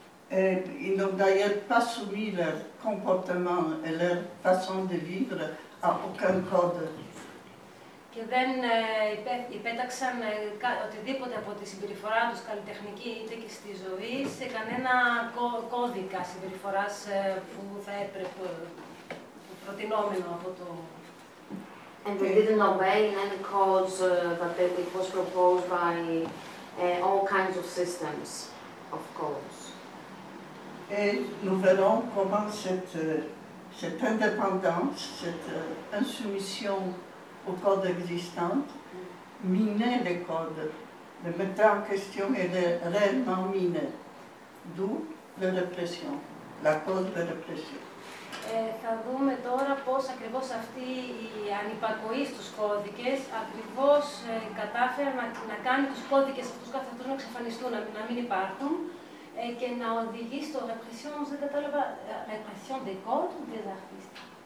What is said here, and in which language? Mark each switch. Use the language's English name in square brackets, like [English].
[French] Ils n'ont d'ailleurs pas soumis leur comportement et leur façon de vivre à aucun code. [Greek] Και δεν υπέταξαν οτιδήποτε από τη συμπεριφορά τους καλλιτεχνική είτε και στη ζωή σε κανένα κώδικα συμπεριφοράς που θα έπρεπε προτινόμενο από το. [English] And they didn't obey any codes that they was proposed by all kinds of systems, of course. [French] Et nous verrons comment cette indépendance, cette insoumission au code existant, miner les codes, les mettre en question et les réellement miner. D'où la répression, la cause de la répression. [Greek] Θα δούμε τώρα πώς ακριβώς αυτή η ανυπακοή στους κώδικες ακριβώς κατάφερε να κάνει τους κώδικες αυτούς καθεαυτούς να εξαφανιστούν, να μην υπάρχουν και να οδηγεί στο répression, δεν κατάλαβα, [French] répression des codes ou des artistes.